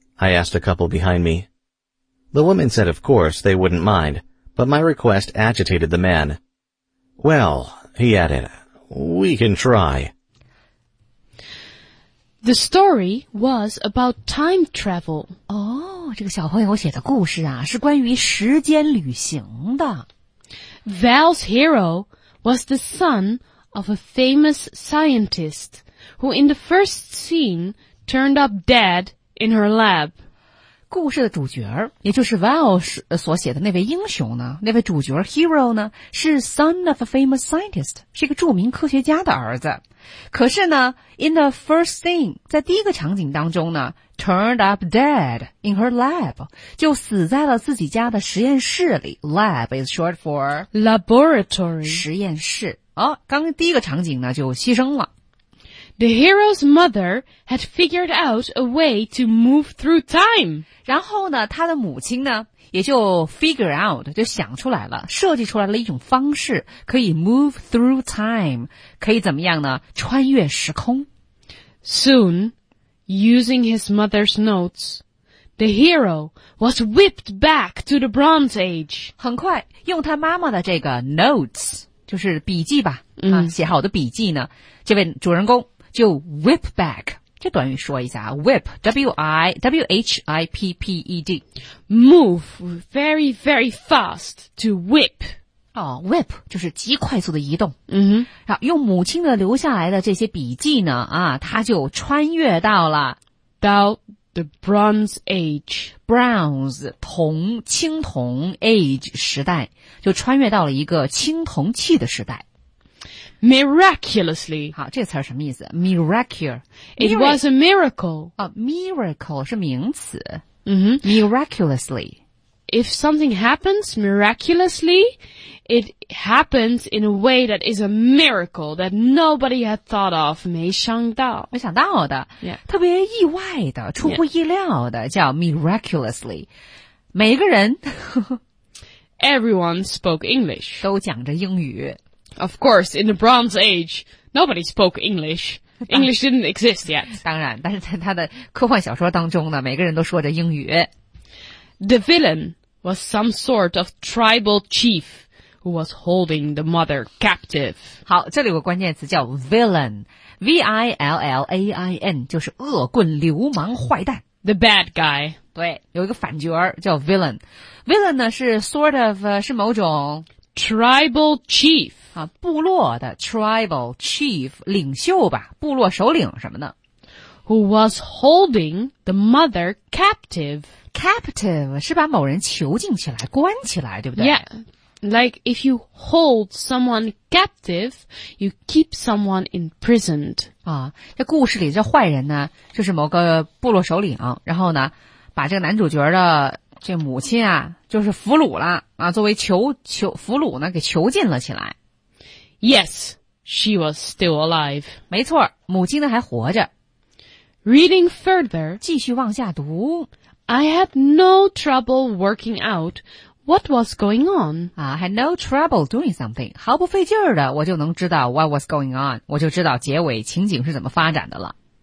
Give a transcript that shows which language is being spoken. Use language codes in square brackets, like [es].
[en] I asked a couple behind me. The woman said of course they wouldn't mind, but my request agitated the man. Well, he added, we can try. The story was about time travel. [zh] 哦，这个小朋友写的故事啊，是关于时间旅行的。 [en] Val's hero was the son of a famous scientist who in the first scene turned up dead in her lab. [zh] 故事的主角，也就是 Val 所写的那位英雄呢，那位主角 hero 呢，是 [en] son of a famous scientist, [zh] 是一个著名科学家的儿子。可是呢 , [en] in the first scene, [zh] 在第一个场景当中呢 , [en] turned up dead in her lab, [zh] 就死在了自己家的实验室里。 [en] Lab is short for laboratory. [zh] 实验室。哦，刚第一个场景呢就牺牲了。 [en] The hero's mother had figured out a way to move through time. [zh] 然后呢他的母亲呢也就 [en] figure out, [zh] 就想出来了设计出来了一种方式可以 [en] move through time, [zh] 可以怎么样呢穿越时空。 [en] Soon, using his mother's notes, the hero was whipped back to the Bronze Age. [zh] 很快用他妈妈的这个 notes, 就是笔记吧、写好的笔记呢这位主人公就 [en] whip back, [zh] 这短语说一下 ,whip, W-I-W-H-I-P-P-E-D. [en] Move very, very fast to whip. [zh] 哦 ,whip, 就是极快速的移动。嗯哼。用母亲的留下来的这些笔记呢啊他就穿越到了。 [en] 到 the Bronze Age. [zh] Bronze, 铜青铜 age 时代就穿越到了一个青铜器的时代。 [en] Miraculously. [zh] 好这个词什么意思 Miracle. [en] It was a miracle.、 [zh] Miracle 是名词。 Mm-hmm. [en] Miraculously. If something happens miraculously, it happens in a way that is a miracle that nobody had thought of. [zh] 没想到。没想到的。 Yeah. 特别意外的出乎意料的、yeah. 叫 miraculously. 每个人。 [en] Everyone spoke English. [zh] 都讲着英语。 [en] Of course, in the Bronze Age, nobody spoke English. English didn't exist yet. [zh] 当然，但是在他的科幻小说当中呢，每个人都说着英语。 [en] The villain was some sort of tribal chief who was holding the mother captive. [zh] 好，这里有个关键词叫 villain, V-I-L-L-A-I-N, 就是恶棍、流氓、坏蛋。 [en] The bad guy. [zh] 对，有一个反角叫 villain。 Villain 呢是 [en] sort of, [zh] 是某种 [en] tribal chief. [zh] 啊，部落的 [en] tribal chief [zh] 领袖吧，部落首领什么呢 [en] ？Who was holding the mother captive? [zh] Captive 是把某人囚禁起来，关起来，对不对 [en] ？Yeah, like if you hold someone captive, you keep someone imprisoned. [zh] 啊，这故事里这坏人呢，就是某个部落首领，然后呢，把这个男主角的这母亲啊，就是俘虏了啊，作为俘虏呢，给囚禁了起来。 [en] Yes, she was still alive. [zh] 没错，母亲呢还活着。 [en] Reading further, [zh] 继续往下读。 [en] I had no trouble working out what was going on. I had no trouble doing something. [zh] 毫不费劲儿的，我就能知道 [en] what was going on. [zh] 我就知道结尾情景是怎么发展的了。